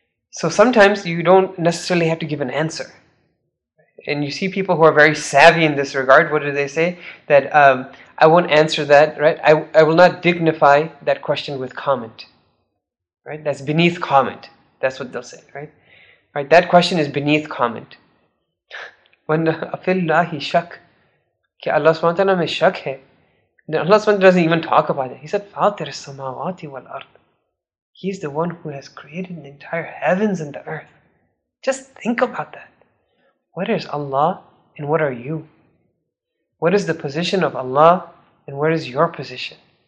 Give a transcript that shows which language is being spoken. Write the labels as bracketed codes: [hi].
[en] So sometimes you don't necessarily have to give an answer. And you see people who are very savvy in this regard. What do they say? That I won't answer that, right? I will not dignify that question with comment, right? That's beneath comment. That's what they'll say, right? Right. That question is beneath comment. [ar] When أَفِي اللَّهِ شَكْ. [ur] Ki Allah subhanahu wa ta'ala mein shak hai. [en] Then Allah subhanahu wa ta'ala doesn't even talk about it. He said, [ar] فَاطِرَ السَّمَاوَاتِ وَالْأَرْضِ. [en] He's the one who has created the entire heavens and the earth. Just think about that. What is Allah and what are you? What is the position of Allah and what is your position?